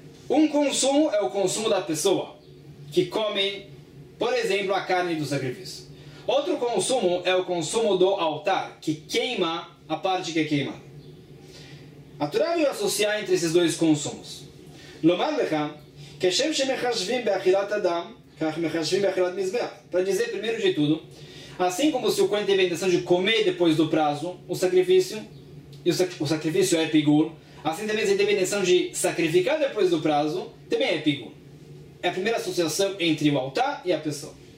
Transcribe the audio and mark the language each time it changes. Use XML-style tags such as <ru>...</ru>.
<pt>Um consumo é o consumo da pessoa que come, por exemplo, a carne do sacrifício. Outro consumo é o consumo do altar, que queima a parte que é queimada. A Torá veio associar entre esses dois consumos.</pt> <he>Lomar lecha, כשם שמחשבים באכילת אדם, כך מחשבים באכילת מזבח.</he> <pt>Para dizer primeiro de tudo, assim como se o Kohen teve a intenção de comer depois do prazo, o sacrifício, e o sacrifício é pigur, assim também se teve a intenção de sacrificar depois do prazo, também é pigur. É a primeira associação entre o altar e a pessoa.</pt>